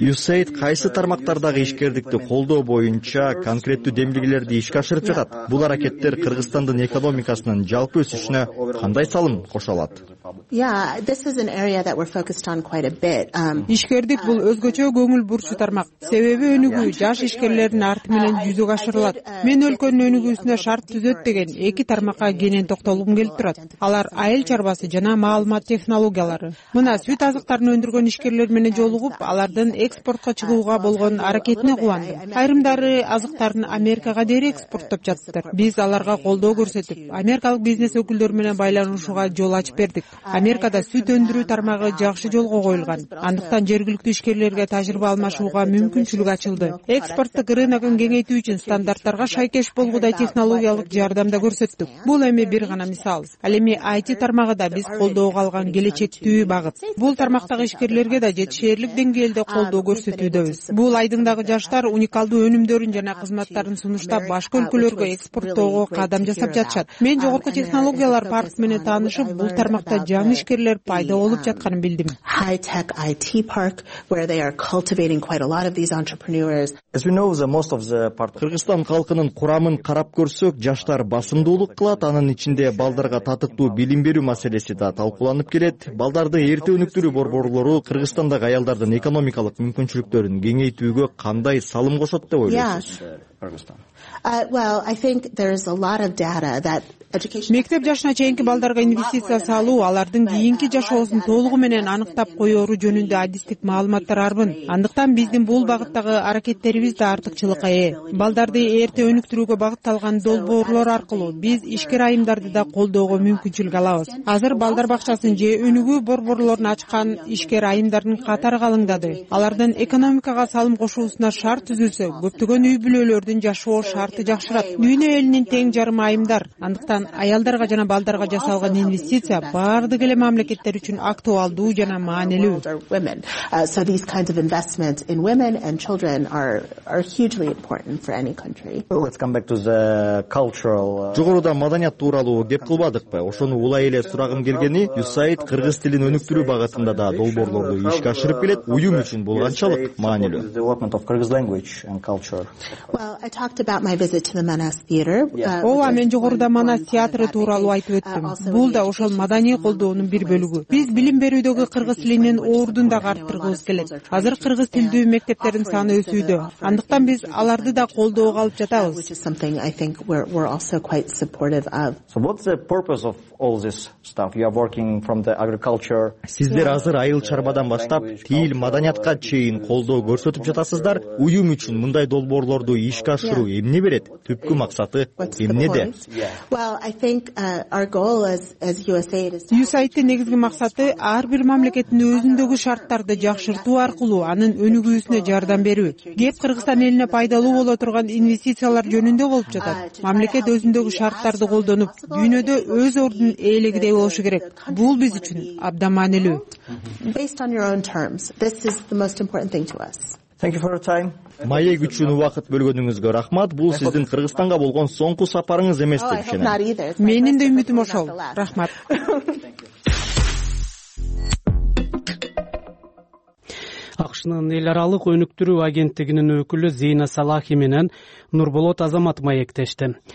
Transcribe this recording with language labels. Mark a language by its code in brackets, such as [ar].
[ky] USAID кайсы тармактардагы ишкердикти колдоо боюнча конкреттүү демилгелерди ишке ашырып жатат? Бул аракеттер Кыргызстандын экономикасынын жалпы өсүшүнө кандай салым кошо алат? [en] Yeah, this is an area that we're focused on quite a bit. [ky] Ишкердик бул өзгөчө көңүл бурчу тармак. Себеби өнүгүү жаш ишкерлердин арты менен жүзөгө ашырылат. Мен өлкөнүн өнүгүүсүнө шарт түзөт деген эки тармакка кенен токтолгум келип турат. Алар айыл чарбасы жана маалымат технологиялары. Мына сүт азыктарын өндүргөн ишкерлер менен жолугуп, алардын экспортко чыгууга болгон аракетине кубандым. Айрымдары азыктарын Америкага дээр экспорттоп жатты. Биз аларга колдоо көрсөтүп, америкалык бизнес өкүлдөрү менен байланышууга жол ачып бердик. Америкада сүт өндүрүү тармагы жакшы жолго коюлган. Андыктан жергиликтүү ишкерлерге тажрыйба алмашууга мүмкүнчүлүк ачылды. Экспорттук рыногун кеңейтүү үчүн стандарттарга шайкеш болгудай технологиялык жардам да көрсөттүк. Бул эми бир гана мисал. Ал эми IT тармагында биз колдоого алган келечектүү багыт. Бул тармактагы ишкерлерге да жетишерлик деңгээлде колдоо көрсөтүүдөбүз. Бул айдындагы жаштар уникалдуу өнүмдөрүн жана кызматтарын сунуштап, башка өлкөлөргө экспорттоого кадам жасап жатышат. Мен жогорку технологиялар паркы менен таанышып, бул тармак жаңы ишкерлер пайда болуп жатканын билдим. [en] High-tech IT park where they are cultivating quite a lot of these entrepreneurs. As we know, most of the part [ky] Кыргызстан халкынын курамын карап көрсөк, жаштар басымдуулук кылат, анын ичинде балдарга татыктуу билим берүү маселеси да талкууланып келет. Балдарды эрте өнүктүрүү борборлору Кыргызстандагы аялдардын экономикалык мүмкүнчүлүктөрүн кеңейтүүгө кандай салым кошот деп ойлойсуз? [en] I think there is a lot of data that [ky] Мектеп жашына чейинки балдарга инвестиция салуу алардын кийинки жашоосун толугу менен аныктап коёру жөнүндө адистик маалыматтар арбын. Андыктан биздин бул багыттагы аракеттерибиз да артыкчылыкка ээ. Балдарды эрте өнүктүрүүгө багытталган долбоорлор аркылуу биз ишкер айымдарды да колдоого мүмкүнчүлүк алабыз. Азыр балдар бакчасын же өнүгүү борборлорун ачкан ишкер айымдардын катары калыңдады. Алардын экономикага салым кошуусуна шарт түзүлсө, көптөгөн үй бүлөлөрдү өздөрдүн жашоо шарты жакшырат. Дүйнө элинин тең жарымы айымдар. Андыктан аялдарга жана балдарга жасалган инвестиция бардык эле мамлекеттер үчүн актуалдуу жана маанилүү. [en] So these kinds of investments in women and children are hugely important for any country. Let's come back to the cultural. [ky] Жогоруда маданият тууралуу кеп кылбадыкпы? Ошону улай эле сурагым келгени, USAID кыргыз тилин өнүктүрүү багытында да долбоорлорду ишке ашырып келет. Уюм үчүн бул канчалык маанилүү? [en] Development of Kyrgyz language and culture. Well, I talked about my visit to the Manas theater. [ky] Ооба, мен жогоруда Манас театры тууралуу айтып өттүм. Бул да ошол маданий колдоонун бир бөлүгү. Биз билим берүүдөгү кыргыз тилинин ордун да арттыргыбыз келет. Азыр кыргыз тилдүү мектептердин саны өсүүдө. Андыктан биз аларды да колдоого алып жатабыз. [en] So what's the purpose of all this stuff? You are working from the agriculture. [ky] Сиздер азыр айыл чарбадан баштап, тил, маданиятка чейин колдоо көрсөтүп жатасыздар. Уюм үчүн мындай долбоорлорду ишке ашыруу эмне берет? Түпкү максаты эмнеде? [en] Well, I think our goal as USAID is [ky] USAID'ın негизги максаты ар бир мамлекеттин өзүндөгү шарттарды жакшыртуу аркылуу анын өнүгүүсүнө жардам берүү. Кеп Кыргызстан элине пайдалуу боло турган инвестициялар жөнүндө болуп жатат. Мамлекет өзүндөгү шарттарды колдонуп, дүйнөдө өз ордун ээлигидей болушу керек. Бул биз үчүн абдан маанилүү. [en] Based on your own terms, this is the most important thing to us. Thank you for your time. [ky] Маек үчүн убакыт бөлгөнүңүзгө рахмат. Бул сиздин Кыргызстанга болгон соңку сапарыңыз эмес деп ишенем. Менин да үмүтүм ошол. Рахмат. АКШнын эл аралык өнүктүрүү агенттигинин өкүлү Зейна Салахи менен Нурболот Азамат маектешти.